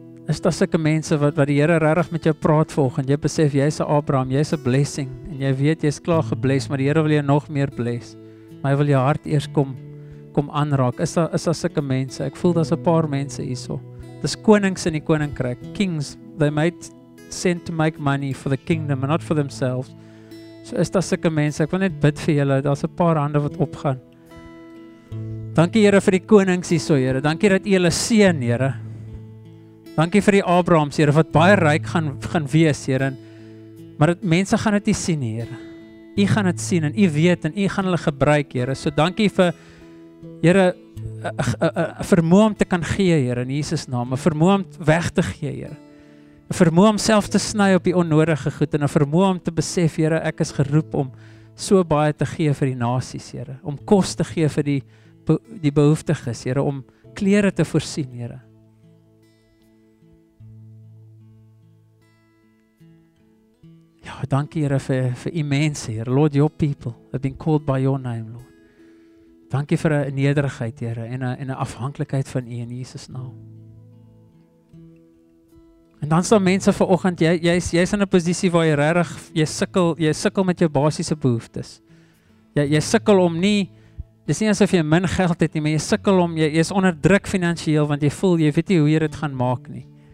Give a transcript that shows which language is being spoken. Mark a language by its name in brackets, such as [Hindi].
[Afrikaans] Is daar sulke mense wat die Here regtig met jou praat vanoggend? Jy besef jy's 'n Abraham, jy's 'n blessing en jy weet jy's klaar gebless, maar die Here wil jou nog meer bless. Maar hy wil jou hart eers kom aanraak. Is daar sulke mense? Ek voel daar's 'n paar mense hierso. Dis konings in die koninkryk. [English] Kings, they might send to make money for the kingdom and not for themselves. [Afrikaans] So is daar sulke mense? Ek wil net bid vir julle. Daar's 'n paar hande wat opgaan. Dankie Here vir die konings hierso, Here. Dankie dat U hulle seën, Here. Dankie vir die Abrahams, Here, wat baie ryk gaan wees, Here. Maar dit mense gaan dit nie sien, Here. U gaan dit sien en U weet en U gaan hulle gebruik, Here. So dankie vir Here, vermoë om te kan gee, Here, in Jesus naam, vermoë om weg te gee, Here. Vermoë om self te sny op die onnodige goed en 'n vermoë om te besef, Here, ek is geroep om so baie te gee vir die nasies, Here, om kos te gee vir die behoeftiges, Here, om klere te voorsien, Here. Ja, dankie Here vir u mense, Here, [English] Lord, your people have been called by your name, Lord. [Afrikaans] Dankie vir 'n nederigheid, Here, en 'n afhanklikheid van u in Jesus naam. En dan staan mense vanoggend, jy's in 'n posisie waar jy regtig jy sukkel met jou basiese behoeftes. Jy sukkel om nie, dis nie asof jy min geld het nie, maar jy sukkel om jy's onder druk finansiëel want jy voel jy weet nie hoe jy dit gaan maak nie.